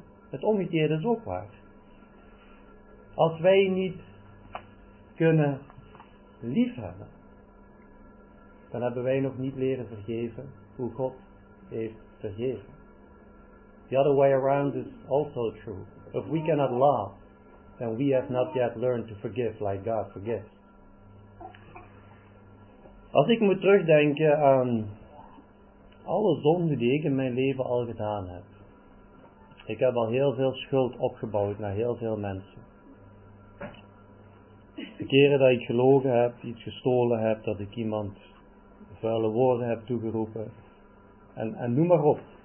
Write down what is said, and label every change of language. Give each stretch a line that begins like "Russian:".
Dutch: Het omgekeerde is ook waar. Als wij niet kunnen liefhebben, dan hebben wij nog niet leren vergeven hoe God heeft vergeven.
English: The other way around is also true. If we cannot love, then we have not yet learned to forgive like God forgives.
Dutch: Als ik moet terugdenken aan alle zonden die ik in mijn leven al gedaan heb. Ik heb al heel veel schuld opgebouwd naar heel veel mensen. De keren dat ik gelogen heb, iets gestolen heb, dat ik iemand vuile woorden heb toegeroepen. En noem maar op.